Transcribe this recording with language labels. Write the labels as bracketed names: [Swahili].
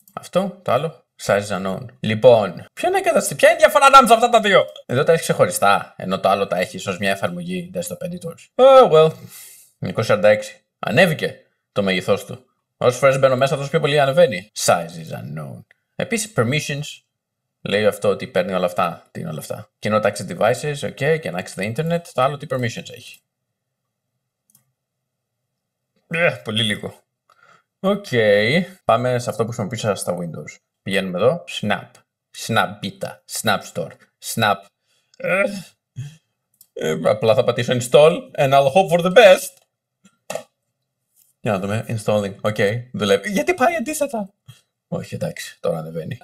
[Greek] Αυτό, το άλλο, size unknown. Λοιπόν, ποια είναι η κατάσταση, ποια είναι η διαφορά ανάμεσα αυτά τα δύο. Εδώ τα έχεις ξεχωριστά, ενώ το άλλο τα έχεις ως μια εφαρμογή desktop editors. Oh well, 246. Ανέβηκε το μέγεθός του. Όσες φορές μπαίνω μέσα, τόσο πιο πολύ ανεβαίνει. [English] Size is unknown. [Greek] Επίσης, permissions, λέει αυτό ότι παίρνει όλα αυτά, τι είναι όλα αυτά. Και not access devices, ok, και access the internet, το άλλο τι permissions έχει. Πολύ λίγο. Ok, πάμε σε αυτό που χρησιμοποιήσα στα Windows. Πηγαίνουμε εδώ, snap, snap beta, snap store, snap. Απλά θα πατήσω install [English] and I'll hope for the best. [Greek] Για να δούμε, installing, ok, δουλεύει. Γιατί πάει αντίθετα. Όχι, εντάξει, τώρα ανεβαίνει.